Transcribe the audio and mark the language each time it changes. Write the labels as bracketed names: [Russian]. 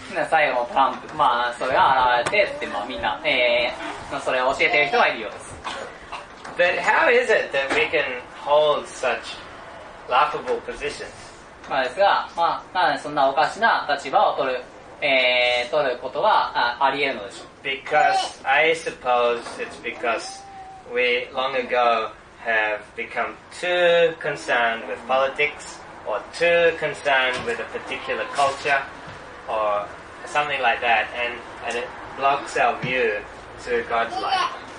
[Japanese] 最後のトランプ、まあ、それが現れて、って、まあ、みんな、それを教えてる人がいるようです。 [English] But how is it that we can hold such laughable positions? [Japanese] まあ、ですが、まあ、なんでそんなおかしな立場を取る。取ることはあり得るのでしょう。 [English] Because I suppose it's because we long ago have become too concerned with politics or too concerned with a particular culture or something like that and it blocks our view to God's light.